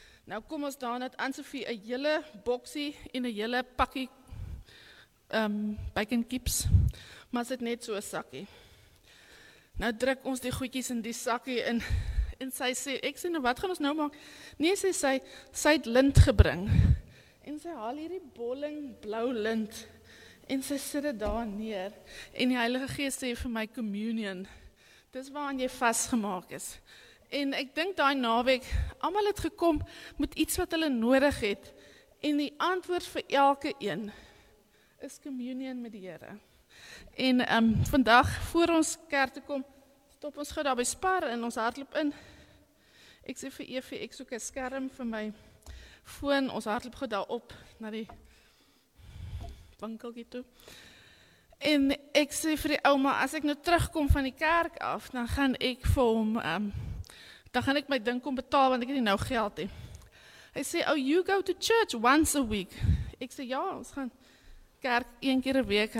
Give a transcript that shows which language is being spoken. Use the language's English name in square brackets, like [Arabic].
[Afrikaans] Nou kom ons daar, dat Ann-Sophie een hele boksie, en een hele pakkie, bacon keeps, maar sy het net so'n sakkie. Nou druk ons die goedjies in die sakkie, en sy sê, ek sê, nou wat gaan ons nou maak? Nee, sê sy, sy het lint gebring, en sy haal hierdie bolling blou lint, en sy sit dit daar neer, en die Heilige Gees sê vir my communion, dis waaraan jy vastgemaak is, en ek dink daai naweek, allemaal het gekom met iets wat hulle nodig het, en die antwoord vir elke een, is communion met die Here, en vandag, voor ons kerk te kom, stop ons gou daar by Spar, en ons hardloop in, ek sê vir Evie, ek soek 'n skerm vir my, foon, ons hardloop gou daar op, na die winkeltjie toe, en ek sê vir die ouma, as ek nou terugkom van die kerk af, dan gaan ek vir hom dan gaan ek my ding kom betaal, want ek het nie nou geld nie. [English] Hy sê, oh, you go to church once a week. [Afrikaans] Ek sê, ja, ons gaan kerk een keer een week.